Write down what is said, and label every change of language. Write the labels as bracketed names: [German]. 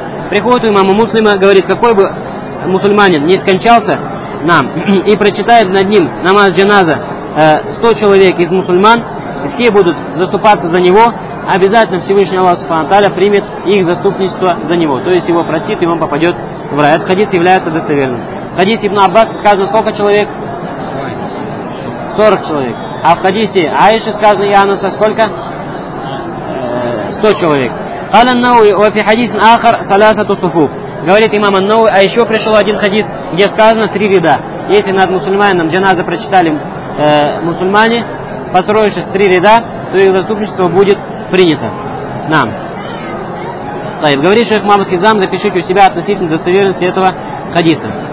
[Russian] Приходит у имама Муслима, говорит, какой бы мусульманин не скончался нам и прочитает над ним намаз джаназа 100 человек из мусульман, все будут заступаться за него, обязательно Всевышний Аллах [Arabic] Субхану Тааля [Russian] примет их заступничество за него, то есть его простит, и он попадет в рай. Этот хадис является достоверным. В хадисе ибн Аббас сказано сколько человек? 40 человек. А в хадисе Аиши сказано и Анаса сколько? 100 человек. [Arabic] قال النووي وفي حديث آخر ثلاثة صفوف. [Russian] Говорит имам ан-Науи, а еще пришел один хадис, где сказано три ряда. Если над мусульманином джаназа прочитали мусульмане, построившись три ряда, то их заступничество будет принято нам. Тайб. Говорит шейх Мамад Хизам, запишите у себя относительно достоверности этого хадиса.